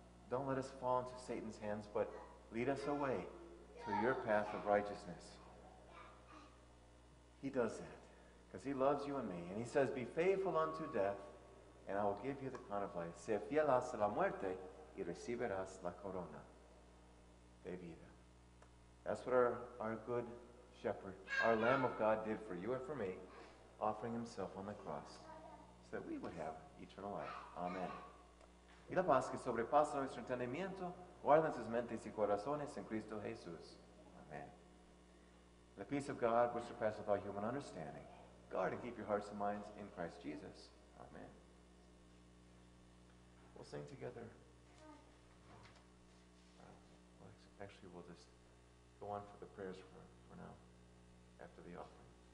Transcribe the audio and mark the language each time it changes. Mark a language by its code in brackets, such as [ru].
[en] Don't let us fall into Satan's hands, but lead us away to your path of righteousness. He does that because he loves you and me. And he says, be faithful unto death, and I will give you the crown of life. [es] Sé fiel hasta la muerte, y recibirás la corona de vida. [en] That's what our good shepherd, our Lamb of God, did for you and for me, offering himself on the cross so that we would have eternal life. Amen. [es] Y la paz que sobrepasa nuestro entendimiento, guarda sus mentes y corazones en Cristo Jesús. Amen. Le [en] peace of God, which surpasseth all human understanding, guard and keep your hearts and minds in Christ Jesus. Amen. We'll sing together. Actually, we'll just go on for the prayers for now, after the offering.